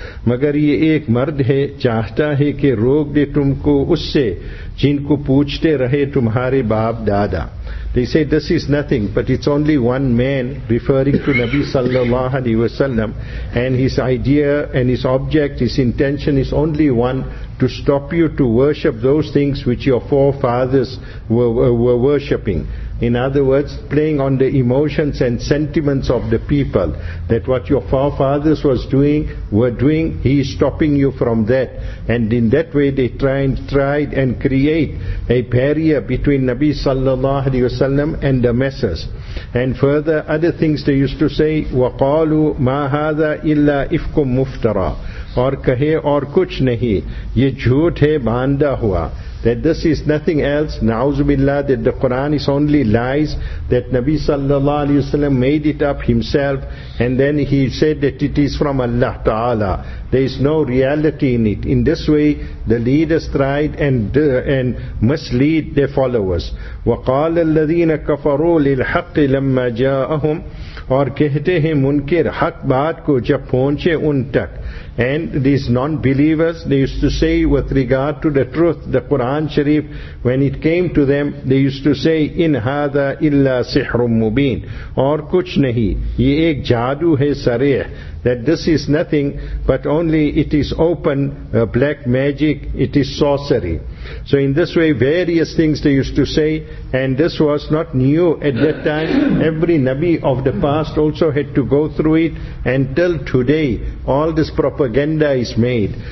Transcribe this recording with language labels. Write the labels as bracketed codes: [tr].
[ur] مگر یہ ایک مرد ہے, چاہتا ہے کہ روک دے تم کو اس سے جن کو پوچھتے رہے تمہارے باپ دادا. [en] They say this is nothing, but it's only one man referring to Nabi sallallahu alaihi wasallam, and his idea and his object, his intention is only one, to stop you to worship those things which your forefathers were worshipping. In other words, playing on the emotions and sentiments of the people, that what your forefathers were doing, he is stopping you from that. And in that way they tried and create a barrier between Nabi sallallahu alaihi wasallam and the masses. And further, other things they used to say, [ar] وَقَالُوا مَا هَذَا إِلَّا إِفْكُمْ مُفْتَرَى. [ur] اور کہے اور کچھ نہیں, یہ جھوٹ ہے باندھا ہوا. [en] That this is nothing else, نعوذ باللہ, that the Quran is only lies, that Nabi sallallahu alayhi wasallam made it up himself, and then he said that it is from Allah Ta'ala. There is no reality in it. In this way, the leaders tried and mislead their followers. [ar] وَقَالَ الَّذِينَ كَفَرُوا لِلْحَقِّ لَمَّا جَاءَهُمْ. [ur] اور کہتے ہیں منکر حق بات کو جب پہنچے ان تک. [en] And these non-believers, they used to say with regard to the truth, the Quran Sharif, when it came to them, they used to say, [ar] إِنْ هَذَا إِلَّا سِحْرٌ مُبِينٌ. [ur] اور کچھ نہیں, یہ ایک جادو ہے سریح. [en] That this is nothing, but only it is open, black magic, it is sorcery. So in this way, various things they used to say, and this was not new at that time. Every Nabi of the past also had to go through it, and till today, all this propaganda is made.